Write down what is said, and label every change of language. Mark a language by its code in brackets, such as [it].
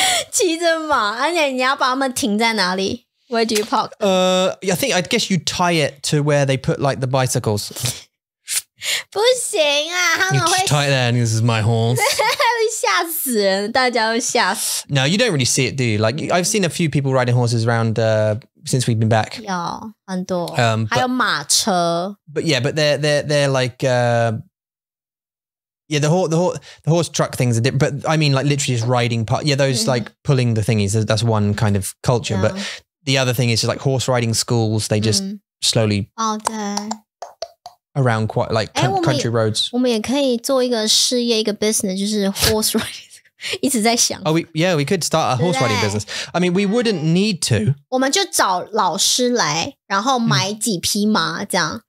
[zh] 骑着马，而且你要把他们停在哪里？ [en] Where do you park? I guess you tie it to where they put like the bicycles. [zh] 不行啊，他们会 [en] tie it there, and this is my horse. [zh] 吓死人，大家都吓死。 [en] No, you don't really see it, do you? Like, I've seen a few people riding horses around since we've been back. [zh] 有很多，还有马车。 [en] But yeah, but they're like, yeah, the horse truck things are different. But I mean, like literally just riding part. Yeah, those like pulling the thingies. That's one kind of culture, but. The other thing is just like horse riding schools, they just slowly around quite like country roads. [zh] 我们也可以做一个事业，一个 business, 就是 horse riding, 一直在想。 [en] Oh, we could start a horse riding business. I mean, we wouldn't need to. [zh] 我们就找老师来，然后买几匹马这样。